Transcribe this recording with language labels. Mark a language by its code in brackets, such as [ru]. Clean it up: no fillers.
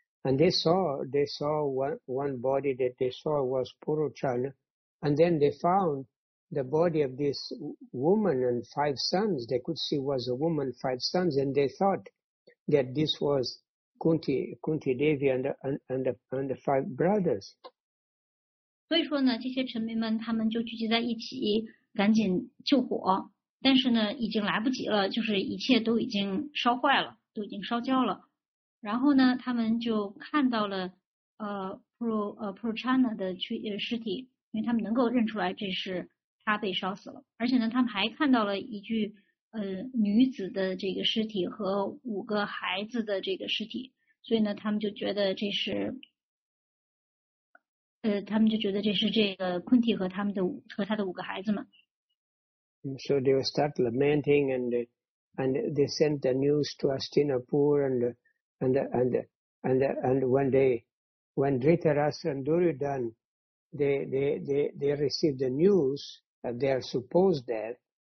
[en] And they saw one body that they saw was Purushana, And then they found the body of this woman and five sons. They could see it was a woman, five sons, and they thought that this was Kunti Devi and the five brothers. [zh] 所以说呢，这些臣民们他们就聚集在一起，赶紧救火。但是呢，已经来不及了，就是一切都已经烧坏了，都已经烧焦了。然后呢，他们就看到了Purochana 的尸体，因为他们能够认出来这是他被烧死了。而且呢，他们还看到了一具女子的这个尸体和五个孩子的这个尸体，所以呢，他们就觉得这是。他们就觉得这是这个昆提和他们的和他的五个孩子们。 [en] So they will start lamenting and they sent the news to Hastinapur and one day when Dhritarashtra and Duryodhana they received the news of their supposed death.